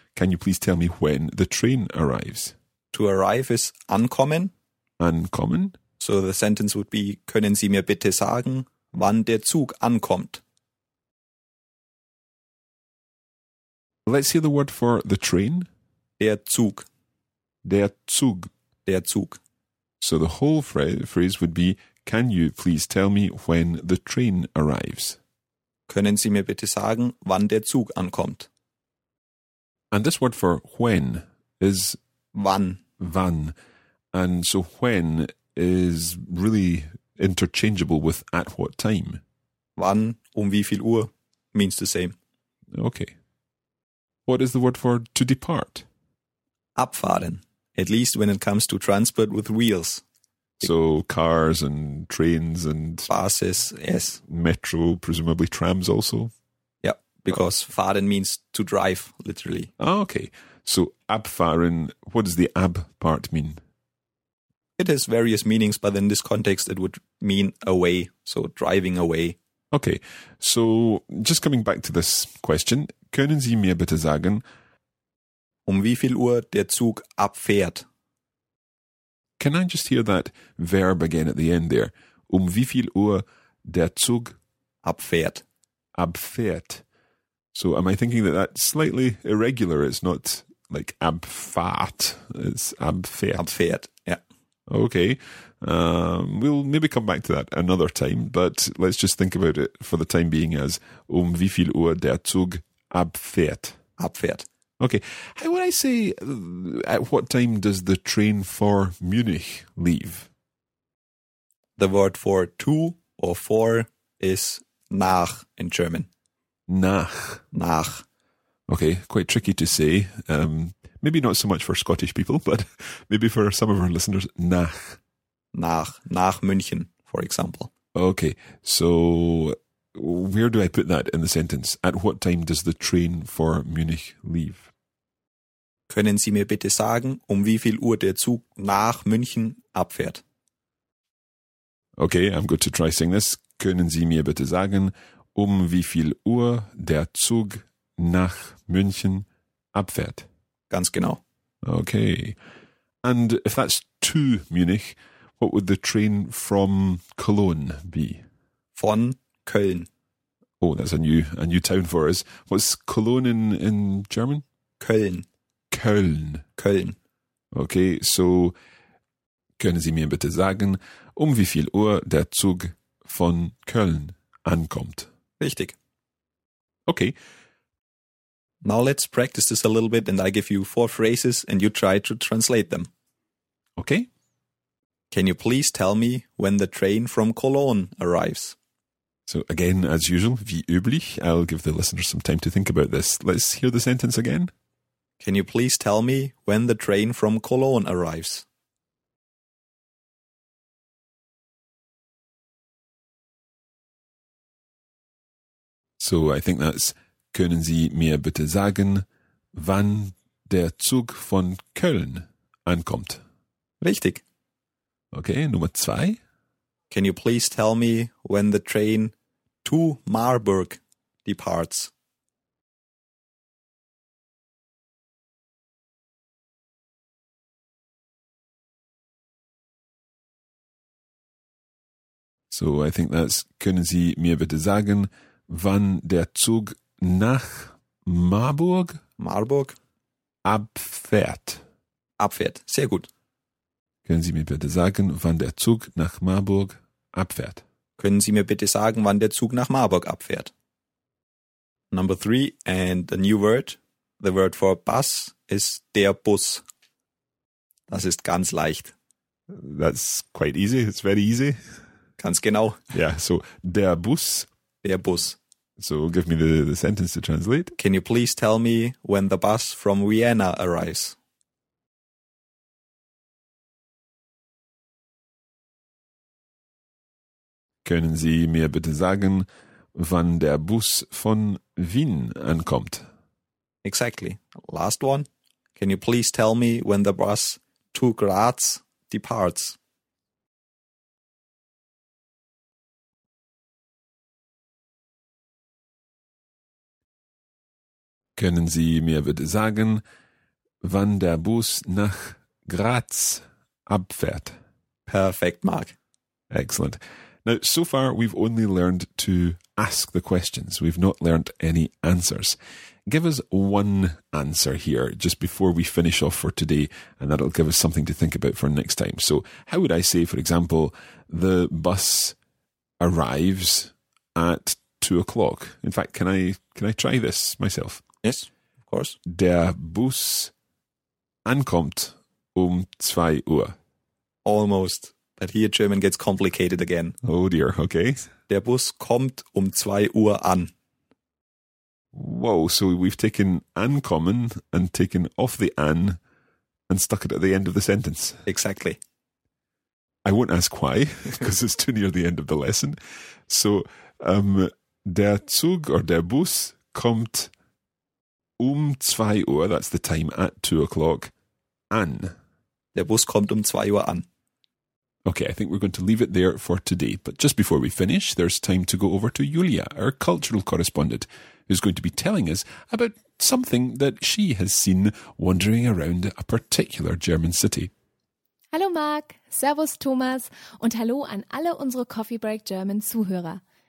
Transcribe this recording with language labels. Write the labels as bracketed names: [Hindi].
[English] Can you please tell me when the train arrives? To arrive is ankommen. [German] Ankommen. [English] So the sentence would be, [German] können Sie mir bitte sagen, wann der Zug ankommt? [English] Let's hear the word for the train. [German] Der Zug. Der Zug. Der Zug. [English] So the whole phrase would be, can you please tell me when the train arrives? [German] Können Sie mir bitte sagen, wann der Zug ankommt? [English] And this word for when is... [German] Wann. Wann. [English] And so when is really interchangeable with at what time. [German] Wann, um wie viel Uhr, [English] means the same. Okay. What is the word for to depart? Abfahren, at least when it comes to transport with wheels. So cars and trains and... Buses, yes. Metro, presumably trams also. Yeah, because fahren means to drive, literally. Okay. So abfahren, what does the ab part mean? It has various meanings, but in this context, it would mean away, so driving away. Okay, so just coming back to this question, [German] können Sie mir bitte sagen, um wie viel Uhr der Zug abfährt? [English] Can I just hear that verb again at the end there? [German] Um wie viel Uhr der Zug abfährt? Abfährt. [English] So am I thinking that that's slightly irregular? It's not like abfahrt, it's abfährt. [German] Abfährt, yeah. [English] Okay, we'll maybe come back to that another time, but let's just think about it for the time being as [German] um wie viel Uhr der Zug abfährt. Abfährt. [English] Okay, how would I say, at what time does the train for Munich leave? The word for to or for is nach in German. [German] Nach. Nach. [English] Okay, quite tricky to say. Maybe not so much for Scottish people, but maybe for some of our listeners, nach. [German] Nach. Nach München, for example. [English] Okay, so where do I put that in the sentence? At what time does the train for Munich leave? [German] Können Sie mir bitte sagen, um wie viel Uhr der Zug nach München abfährt? [English] Okay, I'm going to try saying this. [German] Können Sie mir bitte sagen, um wie viel Uhr der Zug nach München abfährt? Ganz genau. [English] Okay. And if that's to Munich, what would the train from Cologne be? Von Köln. Oh, that's a new town for us. What's Cologne in German? [German] Köln. Köln. Köln. [English] Okay, so [German] können Sie mir bitte sagen, um wie viel Uhr der Zug von Köln ankommt? Richtig. [English] Okay. Now let's practice this a little bit and I give you four phrases and you try to translate them. Okay. Can you please tell me when the train from Cologne arrives? So again, as usual, [German] wie üblich, [English] I'll give the listeners some time to think about this. Let's hear the sentence again. Can you please tell me when the train from Cologne arrives? So I think that's [German] können Sie mir bitte sagen, wann der Zug von Köln ankommt? Richtig. Okay, Nummer zwei. [English] Can you please tell me when the train to Marburg departs? So I think that's [German] können Sie mir bitte sagen, wann der Zug nach Marburg? Marburg. Abfährt. Abfährt, sehr gut. Können Sie mir bitte sagen, wann der Zug nach Marburg abfährt? Können Sie mir bitte sagen, wann der Zug nach Marburg abfährt? [English] Number three and a new word. The word for bus is der Bus. [German] Das ist ganz leicht. [English] That's quite easy. It's very easy. [German] Ganz genau. [English] Yeah, so der Bus. [German] Der Bus. [English] So give me the sentence to translate. Can you please tell me when the bus from Vienna arrives? Can [German] Können Sie mir bitte sagen, wann der Bus von Wien ankommt? [English] Exactly. Last one. Can you please tell me when the bus to Graz departs? Können Sie mir bitte sagen, wann der Bus nach Graz abfährt? Perfect, Mark. Excellent. Now, so far, we've only learned to ask the questions. We've not learned any answers. Give us one answer here just before we finish off for today, and that'll give us something to think about for next time. So how would I say, for example, the bus arrives at 2 o'clock? In fact, can I try this myself? Yes, of course. [German] Der Bus ankommt 2 Uhr. [English] Almost. But here German gets complicated again. Oh dear, okay. [German] Der Bus kommt 2 Uhr an. [English] Whoa, so we've taken ankommen and taken off the an and stuck it at the end of the sentence. Exactly. I won't ask why, because it's too near the end of the lesson. So, der Zug or [German] der Bus kommt 2 Uhr, [English] that's the time, at 2 o'clock, an. [German] Der Bus kommt 2 Uhr an. [English] Okay, I think we're going to leave it there for today. But just before we finish, there's time to go over to Julia, our cultural correspondent, who's going to be telling us about something that she has seen wandering around a particular German city. [German] Hallo Marc, Servus Thomas und hallo an alle unsere Coffee Break German Zuhörer.